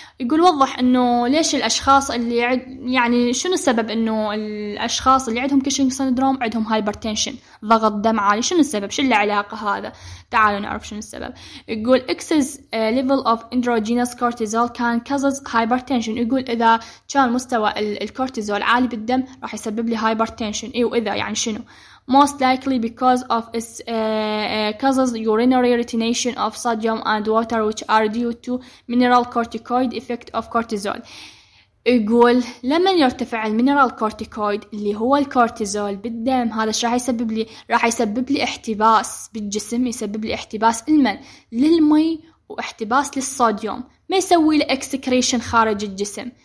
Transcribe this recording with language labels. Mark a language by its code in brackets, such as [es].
[ar] يقول وضح انه ليش الاشخاص اللي يعني شنو السبب انه الاشخاص اللي عندهم Cushing syndrome عندهم hypertension، ضغط دم عالي، شنو السبب؟ شو العلاقة هذا؟ تعالوا نعرف شنو السبب. [en] يقول excess level of endogenous cortisol can cause hypertension. [ar] يقول اذا كان مستوى الكورتيزول عالي بالدم راح يسبب لي hypertension. ايه واذا يعني شنو؟ [en] most likely because of its causes urinary retention of sodium and water which are due to mineral corticoid effect of cortisol. [ar] يقول لما يرتفع المينرال كورتيكويد اللي هو الكورتيزول بالدم، هذا ايش راح يسبب لي؟ راح يسبب لي احتباس بالجسم، يسبب لي احتباس المن للمي واحتباس للصوديوم، ما يسوي الاكسكريشن خارج الجسم.